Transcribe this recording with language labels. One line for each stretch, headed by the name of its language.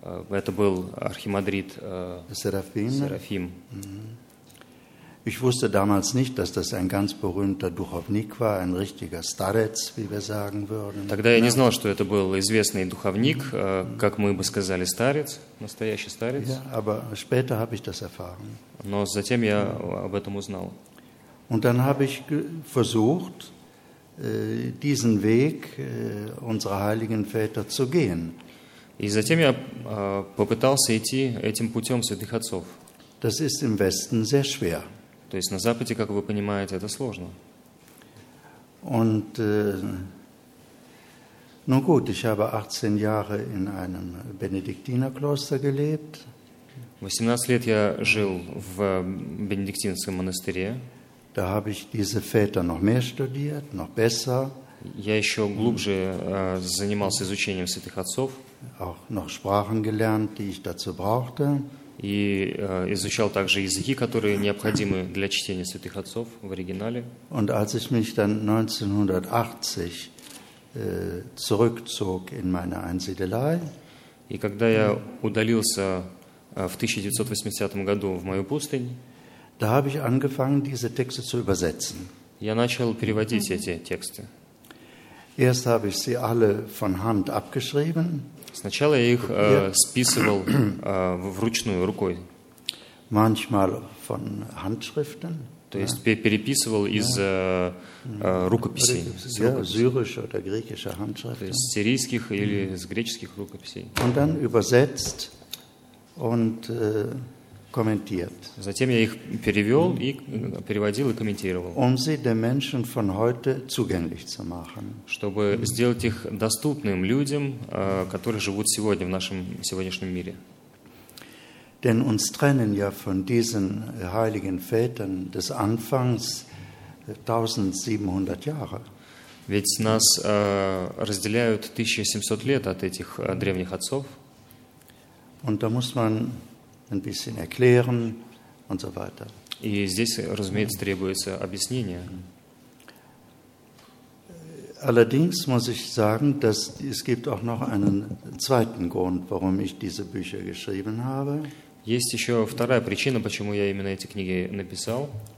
Russian: Это был архимандрит Серафим.
German: Ich wusste damals nicht, dass das ein ganz berühmter Духовник war, ein richtiger Starец, wie wir sagen würden.
Russian: Тогда я не знал, что это был известный духовник, как мы бы сказали, старец, настоящий старец.
German: Ja, aber später habe ich das erfahren.
Russian: Но затем я об этом узнал.
German: Und dann habe ich versucht, diesen Weg unserer heiligen Väter zu gehen.
Russian: И затем я попытался идти этим путем святых отцов.
German: Das ist im Westen sehr schwer.
Russian: То есть на Западе, как вы понимаете, это сложно.
German: Und, nun gut, ich habe 18 Jahre in einem Benediktinerkloster gelebt.
Russian: 18 лет я жил в бенедиктинском монастыре.
German: Da habe ich diese Väter noch mehr studiert, noch besser.
Russian: Я еще глубже занимался изучением святых отцов.
German: Auch noch Sprachen gelernt, die ich dazu brauchte.
Russian: И изучал также языки, которые необходимы для чтения святых отцов в оригинале.
German: Und als ich mich dann 1980 zurückzog in meine Einsiedelei.
Russian: И когда я удалился в 1980 году в мою пустынь,
German: da habe ich angefangen, diese Texte zu übersetzen.
Russian: Я начал переводить эти тексты.
German: Erst habe ich sie alle von Hand abgeschrieben.
Russian: Сначала я их списывал вручную, рукой.
German: Manchmal von Handschriften.
Russian: То есть переписывал из рукописей.
German: Ja, syrische oder griechische Handschriften.
Russian: То есть сирийских или из греческих рукописей.
German: Und dann übersetzt und kommentiert.
Russian: Затем я их перевел и переводил и комментировал.
German: Um sie den Menschen von heute zugänglich zu machen.
Russian: Чтобы сделать их доступным людям, которые живут сегодня в нашем сегодняшнем мире.
German: Denn uns trennen ja von diesen heiligen Vätern des Anfangs 1700 Jahre.
Russian: Ведь нас разделяют 1700 лет от этих древних отцов.
German: Und da muss man ein bisschen erklären und so weiter.
Russian: И здесь, разумеется, требуется объяснение.
German: Allerdings muss ich sagen, dass es gibt auch noch einen zweiten Grund, warum ich diese Bücher geschrieben habe.
Russian: Есть еще вторая причина, почему я именно эти книги написал.